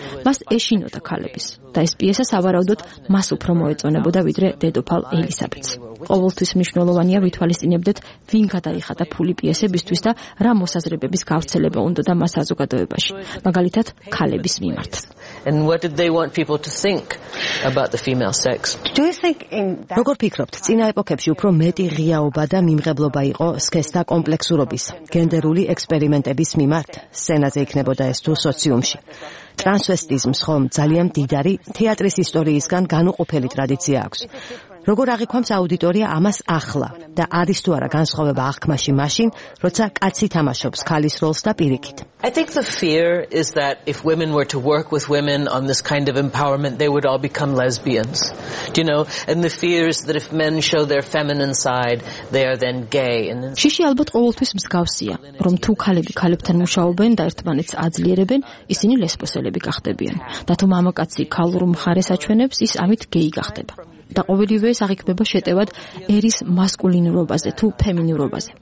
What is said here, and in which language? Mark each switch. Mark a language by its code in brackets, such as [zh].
[ka] მას ეშინოდა ქალების და ეს პიესა სავარაუდოდ მას უფრო მოეწონებოდა ვიდრე დედოფალ ელისაბედს. ყოველთვის მნიშვნელოვანია ვითვალისწინებდეთ, ვინ გადაიხადა ფული პიესებისთვის და რა მოსაზრებების გავრცელება უნდა და მას საზოგადოებაში, მაგალითად ქალების მიმართ. [en] And what did they want people to think about the female sex? Do you think in that [ka] როგორ ფიქრობთ, წინა ეპოქებში უფრო მეტი ღიაობა და მიმღებლობა იყო სქესთა კომპლექსურობის, გენდერული ექსპერიმენტების მიმართ, სცენაზე იქნებოდა ეს თუ სოციუმში? ტრანსვესტიზმს ხომ ძალიან მდიდარი თეატრის ისტორიისგან განუყოფელი ტრადიცია აქვს. როგორ აღიქვამს აუდიტორია ამას ახლა და არის თუ არა განსხვავება აღქმაში მაშინ, როცა კაცი თამაშობს ქალის როლს და პირიქით? [en] I think the fear is that if women were to work with women on this kind of empowerment, they would all become lesbians. Do you know? And the fear is that if men show their feminine side, they are then gay. [ka] შიში ალბათ ყოველთვის მსგავსია, რომ თუ ქალები ქალებთან მუშაობენ და ერთმანეთს აძლიერებენ, ისინი ლესბოსელები გახდებიან. და თუ მამაკაცი ქალურ მხარეს აჩვენებს, ის ამით gay გახდება. და ყოველივე საღიქმება შეტევად ერის მასკულინურობაზე თუ ფემინურობაზე.